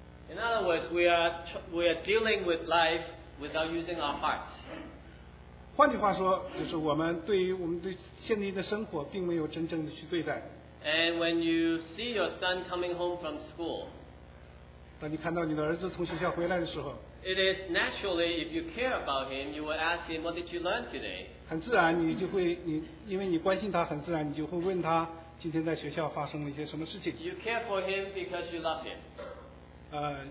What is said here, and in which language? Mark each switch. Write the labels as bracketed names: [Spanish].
[English] In other words, we are dealing with life without using our hearts. [Chinese] 换句话说，就是我们对于我们的现今的生活，并没有真正的去对待。 [English] And when you see your son coming home from school, [Chinese] 当你看到你的儿子从学校回来的时候 [English] ，It is naturally, if you care about him, you will ask him, "What did you learn today?" [Chinese] 很自然，你就会你因为你关心他，很自然你就会问他今天在学校发生了一些什么事情。 [English] You care for him because you love him.